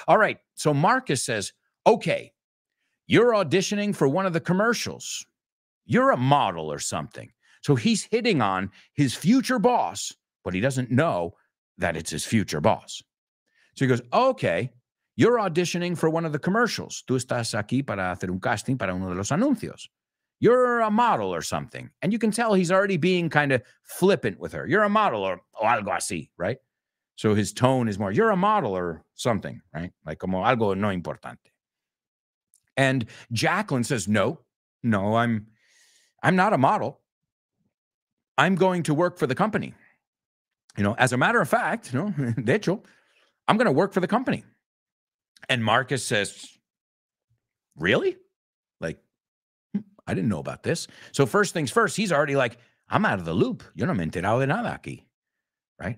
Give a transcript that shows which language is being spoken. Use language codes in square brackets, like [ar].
[en] All right, so Marcus says, okay, you're auditioning for one of the commercials. You're a model or something. So he's hitting on his future boss, but he doesn't know that it's his future boss. So he goes, okay, you're auditioning for one of the commercials. [es] Tú estás aquí para hacer un casting para uno de los anuncios. [en] You're a model or something. And you can tell he's already being kind of flippant with her. You're a model or [es] algo así, [en] right? So his tone is more, you're a model or something, right? Like, [es] como algo no importante. [en] And Jacqueline says, no, I'm not a model. I'm going to work for the company. You know, as a matter of fact, you know, [es] de hecho, [en] I'm going to work for the company. And Marcus says, really? Like, I didn't know about this. So first things first, he's already like, I'm out of the loop. [es] Yo no me enterado de nada aquí, right?